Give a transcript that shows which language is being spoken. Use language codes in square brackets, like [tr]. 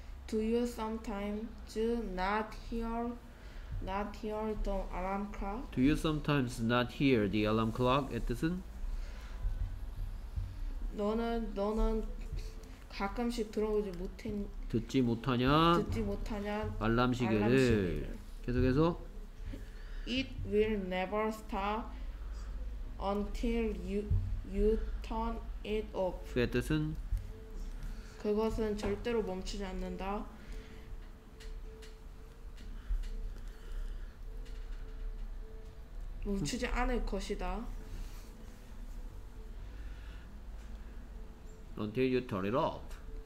[en] Do you sometimes not hear the alarm clock? Do you sometimes not hear the alarm clock? [ko] 뜻은 너는 가끔씩 들어오지 못했 듣지 못하냐? 듣지 못하냐? 알람 시계를 계속해서 [en] It will never stop until you turn it off. [ko] 그 뜻은 그것은 절대로 멈추지 않는다. 멈추지 않을 것이다. [en] Until you turn it off.